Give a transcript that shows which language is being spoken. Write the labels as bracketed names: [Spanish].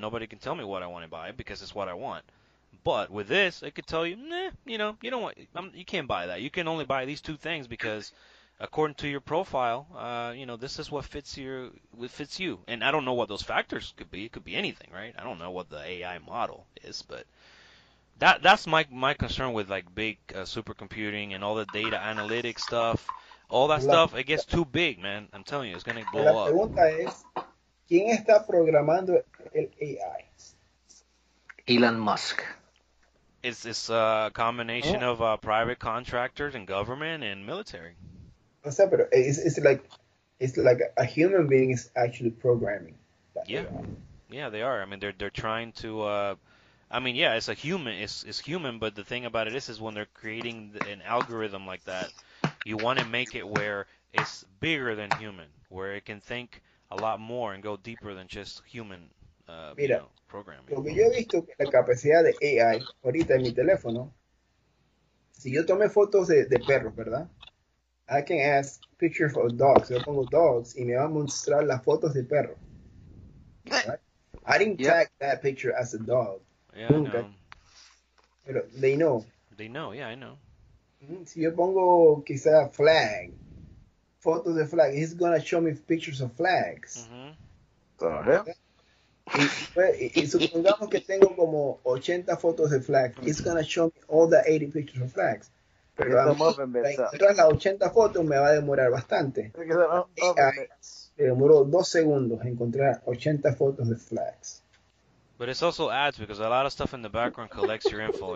[English] Nobody can tell me what I want to buy, because it's what I want. But with this, it could tell you, nah, you know, you don't want, you can't buy that. You can only buy these two things, because according to your profile, you know, this is what fits you. And I don't know what those factors could be. It could be anything, right? I don't know what the AI model is, but that's my concern with, like, big supercomputing and all the data analytics stuff. All that stuff, it gets too big, man. I'm telling you, it's going to blow up. [Spanish] La pregunta es, ¿quién está programando el AI? [English] Elon Musk. It's a combination of private contractors and government and military. [Spanish] O sea, pero [English] it's like a human being is actually programming. Yeah, they are. I mean, they're trying to. I mean, yeah, it's a human. It's human. But the thing about it is when they're creating an algorithm like that, you want to make it where it's bigger than human, where it can think a lot more and go deeper than just human. [Spanish] Mira, [English] you know, programming. [Spanish] Lo que yo he visto que la capacidad de AI ahorita en mi teléfono, si yo tomé fotos de perros, ¿verdad? [English] I can ask picture for dogs. [Spanish] Yo pongo dogs y me va a mostrar las fotos de perros. [English] Right? I didn't tag that picture as a dog. Yeah, [Spanish] nunca. [English] I know. Pero they know. They know, yeah, I know. [Spanish] Si yo pongo quizá flag, fotos de flag, [English] he's going to show me pictures of flags. Mm-hmm. So, yeah. [Spanish] Y supongamos que tengo como 80 fotos de flags. [English] He's going to show me all the 80 pictures of flags. [Spanish] Pero la 80 fotos me va a demorar bastante. Me demoró 2 segundos encontrar 80 fotos de flags. [English] But it's also ads, because a lot of stuff in the background collects your info.